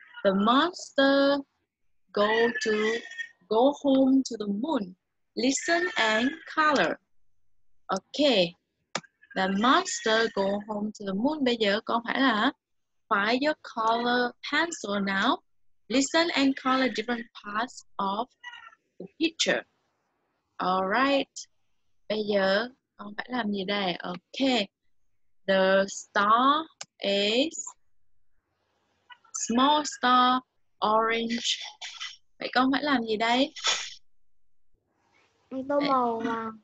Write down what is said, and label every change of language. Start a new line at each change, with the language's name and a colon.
English: The monster go home to the moon. Listen and color. Okay. The monster go home to the moon.
Vietnamese: Bây giờ con phải là
English: find your color pencil now. Listen and color different parts of the picture. All right.
Vietnamese: Bây giờ con phải làm gì đây?
English: Okay. The star is small star orange.
Vietnamese: Vậy con phải làm gì đây? Tô màu mà.